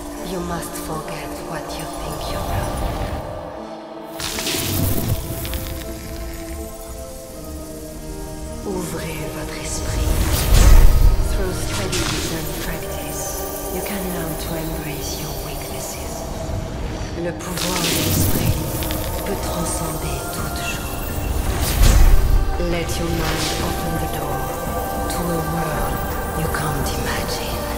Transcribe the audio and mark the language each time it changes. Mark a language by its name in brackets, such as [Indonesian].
[English] You must forget what you think you know. [French] Ouvrez votre esprit. [English] Through strategies and practice, you can learn to embrace your weaknesses. [French] Le pouvoir de l'esprit peut transcender toute chose. [English] Let your mind open the door to a world you can't imagine.